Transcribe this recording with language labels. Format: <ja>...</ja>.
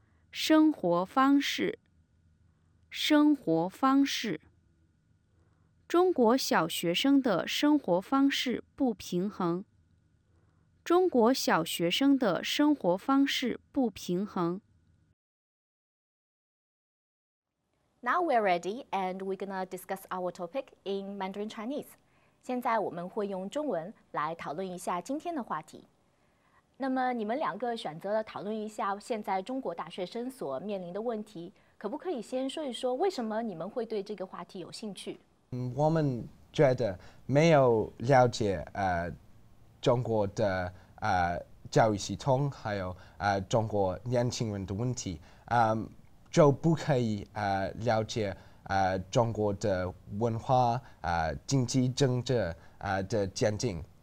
<zh>生活方式，生活方式。中国小学生的生活方式不平衡。中国小学生的生活方式不平衡。</zh> <en>Now we're ready, and we're gonna discuss our topic in Mandarin Chinese.</en> <zh>现在我们会用中文来讨论一下今天的话题。那么你们两个选择了讨论一下现在中国大学生所面临的问题，可不可以先说一说为什么你们会对这个话题有兴趣？我们觉得没有了解中国的教育系统，还有中国年轻人的问题，就不可以了解中国的文化、经济政治、的前景。</zh>